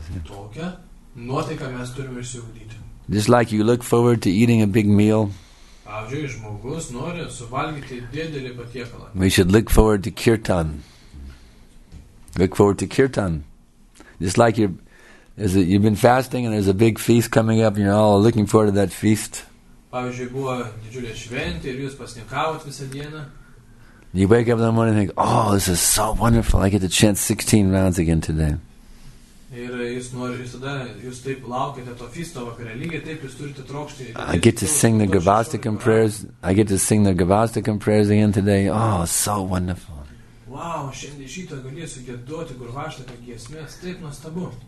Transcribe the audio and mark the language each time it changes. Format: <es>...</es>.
<lt>Tokia nuotaika mes turime išsiugdyti.</lt> <en>Just like you look forward to eating a big meal.</en> <lt>Pavyzdžiui, žmogus nori suvalgyti didelį patiekalą.</lt> <en>We should look forward to kirtan. Look forward to kirtan. Just like you've been fasting and there's a big feast coming up and you're all looking forward to that feast.</en> <lt>Pavyzdžiui, buvo didžiulė šventė ir jūs pasninkavot visą dieną.</lt> <en>You wake up in the morning and think, oh, this is so wonderful, I get to chant 16 rounds again today.</en> <lt>Ir jūs norite, tada jūs taip laukite to feisto vakare, lygiai taip jūs turite trokšti.</lt> <en>I get to sing the Gavastikam prayers, I get to sing the Gavastikam prayers again today, oh, so wonderful.</en> <lt>Wow, šiandien šito galėsiu gėduoti Gurvaštaką giesmės, taip nuostabu.</lt>